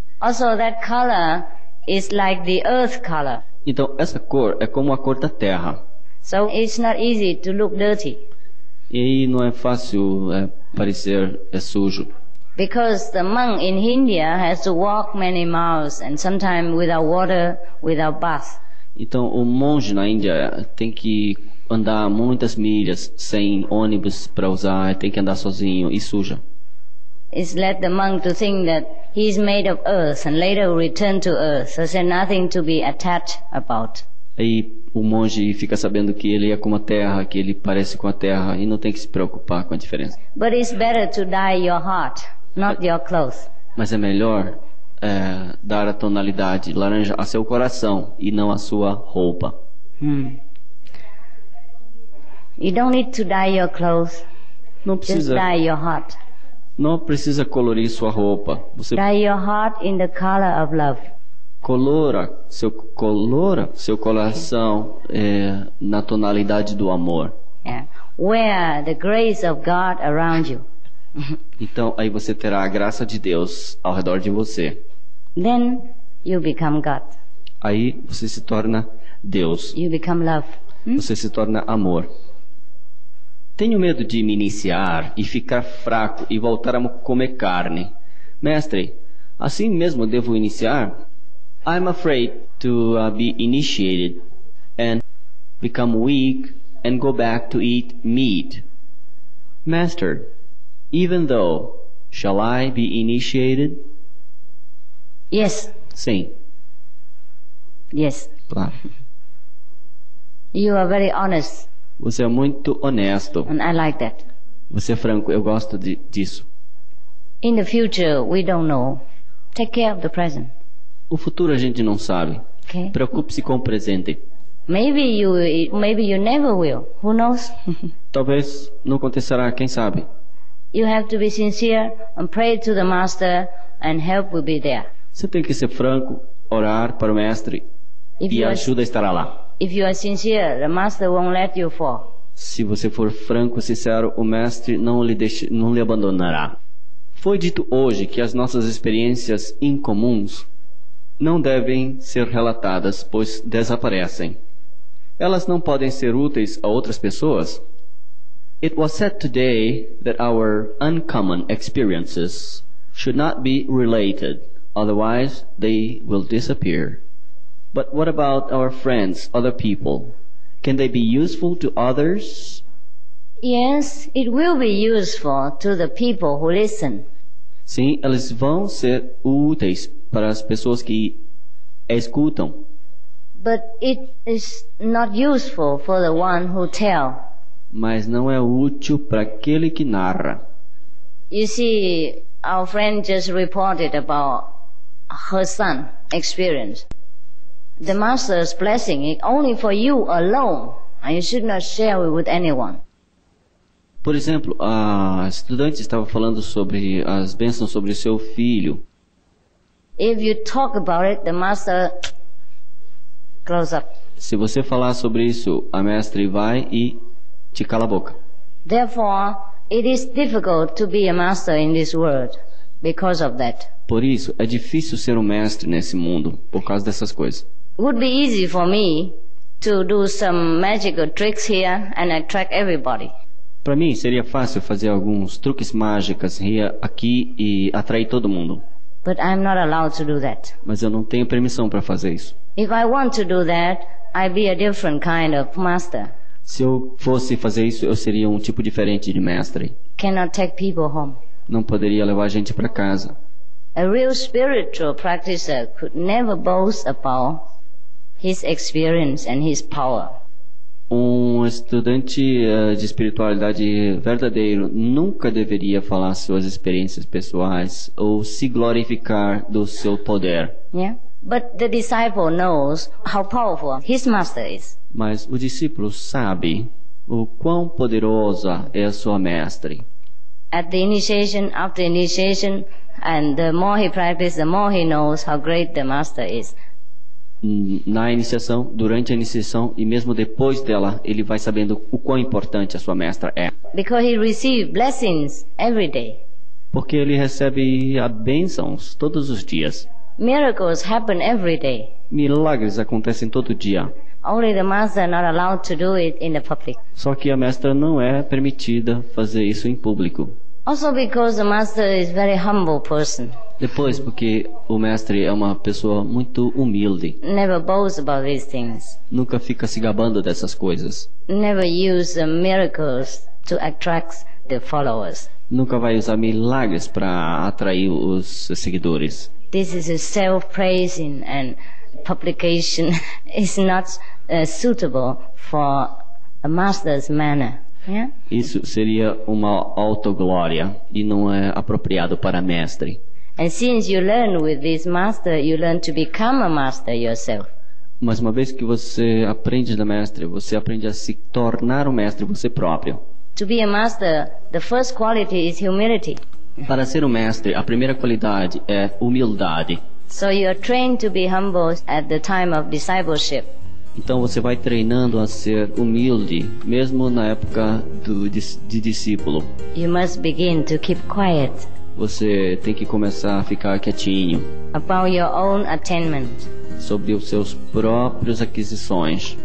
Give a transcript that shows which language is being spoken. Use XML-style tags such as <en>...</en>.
<en>Also, that color is like the earth color.</en> <pt>Então, essa cor é como a cor da terra.</pt> <en>So, it's not easy to look dirty.</en> <pt>E aí não é fácil parecer sujo.</pt> <en>Because the monk in India has to walk many miles and sometimes without water, without bath.</en> <pt>Então, o monge na Índia tem que andar muitas milhas sem ônibus para usar, tem que andar sozinho e suja.</pt> <en>It's led the monk to think that he is made of earth and later return to earth, so there's nothing to be attached about.</en> <pt>Aí o monge fica sabendo que ele é como a terra, que ele parece com a terra e não tem que se preocupar com a diferença.</pt> <en>But it's better to dye your heart, not your clothes.</en> <pt>Mas é melhor dar a tonalidade laranja a seu coração e não a sua roupa.</pt> <en>You don't need to dye your clothes.</en> <pt>Não precisa.</pt> <en>Just dye your heart.</en> <pt>Não precisa colorir sua roupa. Você</pt> <en>dye your heart in the color of love.</en> <pt>Colora seu coração na tonalidade do amor.</pt> <en>Yeah. Wear the grace of God around you.</en> <pt>Então aí você terá a graça de Deus ao redor de você.</pt> <en>Then you become God.</en> <pt>Aí você se torna Deus.</pt> <en>You become love.</en> <pt>Você se torna amor. Tenho medo de me iniciar e ficar fraco e voltar a comer carne. Mestre, assim mesmo devo iniciar?</pt> <en>I'm afraid to be initiated and become weak and go back to eat meat. Master, even though, shall I be initiated? Yes.</en> <pt>Sim.</pt> <en>Yes.</en> <pt>Claro.</pt> <en>You are very honest.</en> <pt>Você é muito honesto.</pt> <en>And I like that.</en> <pt>Você é franco, eu gosto disso.</pt> <en>In the future, we don't know. Take care of the present.</en> <pt>O futuro a gente não sabe.</pt> <en>Okay.</en> <pt>Preocupe-se com o presente.</pt> <en>Maybe you never will. Who knows?</en> <pt>Talvez não acontecerá, quem sabe.</pt> <en>You have to be sincere and pray to the master and help will be there.</en> <pt>Você tem que ser franco, orar para o mestre e a ajuda estará lá.</pt> <en>If you are sincere, the master won't let you fall.</en> <pt>Se você for franco e sincero, o mestre não lhe abandonará. Foi dito hoje que as nossas experiências incomuns não devem ser relatadas, pois desaparecem. Elas não podem ser úteis a outras pessoas?</pt> <en>It was said today that our uncommon experiences should not be related, otherwise they will disappear. But what about our friends, other people? Can they be useful to others? Yes, it will be useful to the people who listen.</en> <pt>Sim, elas vão ser úteis para as pessoas que escutam.</pt> <en>But it is not useful for the one who tell.</en> <pt>Mas não é útil para aquele que narra.</pt> <en>You see, our friend just reported about her son experience. The master's blessing is only for you alone. And you should not share it with anyone.</en> <pt>Por exemplo, a estudante estava falando sobre as bênçãos sobre o seu filho.</pt> <en>If you talk about it, the master close up.</en> <pt>Se você falar sobre isso, a mestre vai e te cala a boca.</pt> <en>Therefore, it is difficult to be a master in this world because of that.</en> <pt>Por isso, é difícil ser um mestre nesse mundo por causa dessas coisas.</pt> <en>Would be easy for me to do some magical tricks here and attract everybody.</en> <pt>Para mim seria fácil fazer alguns truques mágicos aqui e atrair todo mundo.</pt> <en>But I'm not allowed to do that.</en> <pt>Mas eu não tenho permissão para fazer isso.</pt> <en>If I want to do that, I'd be a different kind of master.</en> <pt>Se eu fosse fazer isso, eu seria um tipo diferente de mestre.</pt> <en>Cannot take people home.</en> <pt>Não poderia levar gente para casa.</pt> <en>A real spiritual practitioner could never boast about his experience and his power.</en> <pt>Um estudante de espiritualidade verdadeiro nunca deveria falar suas experiências pessoais ou se glorificar do seu poder.</pt> <en>Yeah. But the disciple knows how powerful his master is.</en> <pt>Mas o discípulo sabe o quão poderosa é a sua mestre.</pt> <en>At the initiation, after initiation, and the more he practices, the more he knows how great the master is.</en> <pt>Na iniciação, durante a iniciação e mesmo depois dela, ele vai sabendo o quão importante a sua mestra é.</pt> <en>Because he receives blessings every day.</en> <pt>Porque ele recebe bênçãos todos os dias.</pt> <en>Miracles happen every day.</en> <pt>Milagres acontecem todo dia.</pt> <en>Only the master not allowed to do it in the public.</en> <pt>Só que a mestra não é permitida fazer isso em público.</pt> <en>Also because the master is very humble person.</en> <pt>Depois, porque o mestre é uma pessoa muito humilde.</pt> <en>Never boasts about these things.</en> <pt>Nunca fica se gabando dessas coisas.</pt> <en>Never use miracles to attract the followers.</en> <pt>Nunca vai usar milagres para atrair os seguidores.</pt> <en>This is a self-praising and publication. It's not suitable for a master's manner. Yeah?</en> <pt>Isso seria uma autoglória e não é apropriado para mestre.</pt> <en>And since you learn with this master, you learn to become a master yourself.</en> <pt>Mas uma vez que você aprende da mestre, você aprende a se tornar um mestre você próprio.</pt> <en>To be a master, the first quality is humility.</en> <pt>Para ser um mestre, a primeira qualidade é humildade.</pt> <en>So you are trained to be humble at the time of discipleship.</en> <pt>Então você vai treinando a ser humilde, mesmo na época de discípulo.</pt> <en>You must begin to keep quiet.</en> <pt>Você tem que começar a ficar quietinho.</pt> <en>About your own attainment.</en> <pt>Sobre os seus próprios aquisições.</pt>